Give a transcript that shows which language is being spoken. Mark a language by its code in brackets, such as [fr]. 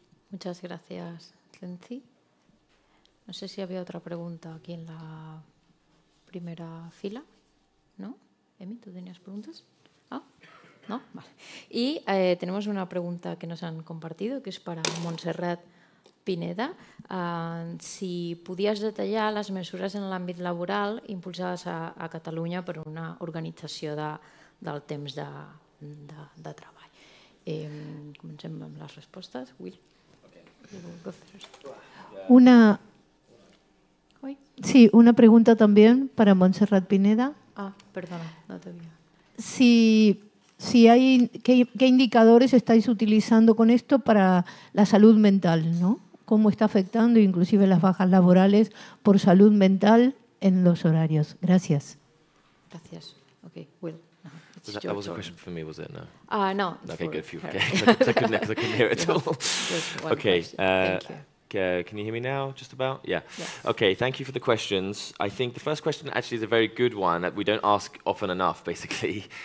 [es] Muchas gracias, Cenci. No sé si había otra pregunta aquí en la primera fila. ¿No? Emi, ¿tú tenías preguntas? ¿No? Vale. Y tenemos una pregunta que nos han compartido, que es para Montserrat Pineda. Si podías detallar [ca] las mesures en l'àmbit laboral impulsades a Catalunya per una organització del temps de treball. Comencem amb les respostes. [en] Will? Okay. [ca] Una pregunta també per a Montserrat Pineda. Ah, perdona, no t'havia. [es] Si si hay qué indicadores estáis utilizando con esto para la salud mental, ¿no? Cómo está afectando inclusive las bajas laborales por salud mental en los horarios. Gracias. Gracias. Okay, Will. [en] That was a question for me, was it? No. No. Okay, good. For you. Okay. I couldn't hear it at all. Okay. Can you hear me now, just about? Yeah. Yes. Okay, thank you for the questions. I think the first question actually is a very good one that we don't ask often enough, basically.